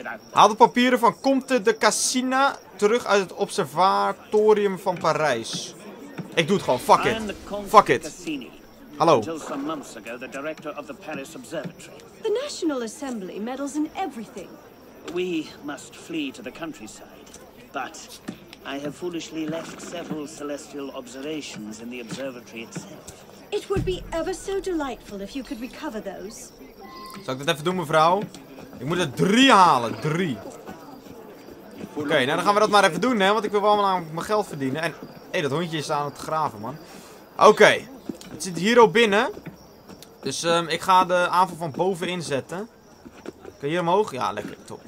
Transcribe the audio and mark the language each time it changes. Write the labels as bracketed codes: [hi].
[nl] Haal de papieren van Comte de Cassina terug uit het observatorium van Parijs. Ik doe het gewoon, fuck it. Fuck it. Hallo. [en] Until some months ago, the director of the Paris Observatory. The National Assembly meddles in everything. We must flee to the countryside. But I have foolishly left several celestial observations in the observatory itself. It would be ever so delightful if you could recover those. [nl] Zal ik dat even doen, mevrouw? Ik moet er 3 halen. 3. Oké, nou dan gaan we dat maar even doen, hè. Want ik wil allemaal aan mijn geld verdienen. En, hé, dat hondje is aan het graven, man. Oké. Het zit hier al binnen. Dus ik ga de aanval van boven inzetten. Kun je hier omhoog? Ja, lekker. Top.